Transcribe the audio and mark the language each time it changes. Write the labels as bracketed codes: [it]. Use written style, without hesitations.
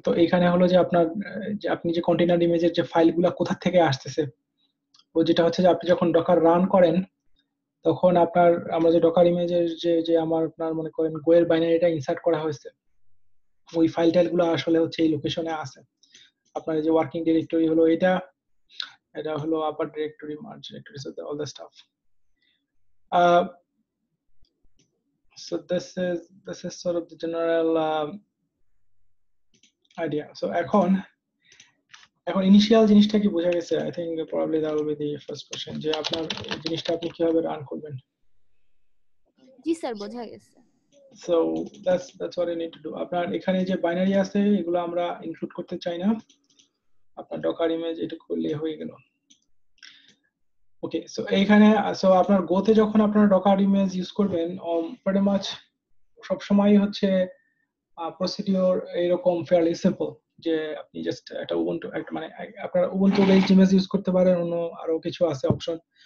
[bn] তো এখানে হলো যে আপনার যে আপনি যে কন্টেইনার ইমেজের যে ফাইলগুলো কোথা থেকে আসতেছে, ও যেটা হচ্ছে যে আপনি যখন ডকার রান করেন তখন আপনার আমরা যে ডকার ইমেজের যে যে আমার আপনার মনে করেন গোয়ের বাইনারিটা ইনসার্ট করা হয়েছে ওই ফাইল টাইলগুলো আসলে হচ্ছে এই লোকেশনে আছে। আপনার যে ওয়ার্কিং ডিরেক্টরি হলো এটা, এটা হলো আপার directory merge directory [en] So all the stuff. So this is sort of the general idea. [bn] So এখন ইনিশিয়াল জিনিসটা কি বোঝা গেছে? [en] I think probably that will be the first question, [bn] যে আপনার জিনিসটা আপনি কিভাবে রান করবেন। জি স্যার বোঝা গেছে। [en] So that's what I need to do. [bn] আপনার এখানে যে বাইনারি আছে এগুলো আমরা ইনক্লুড করতে চাই না, আপনার ডকার ইমেজ এটা করলে হয়ে গেল। ওকে, সো এইখানে সো আপনার গোতে যখন আপনার ডকার ইমেজ ইউজ করবেন প্রেটি মাচ সব সময় হচ্ছে প্রসিডিউর এরকম ফেয়ারলি সিম্পল, যে আপনি জাস্ট একটা উবুন্টু একটা মানে আপনার উবুন্টু বেসড ইমেজ ইউজ করতে পারেন, অন্য আরো কিছু আছে অপশন।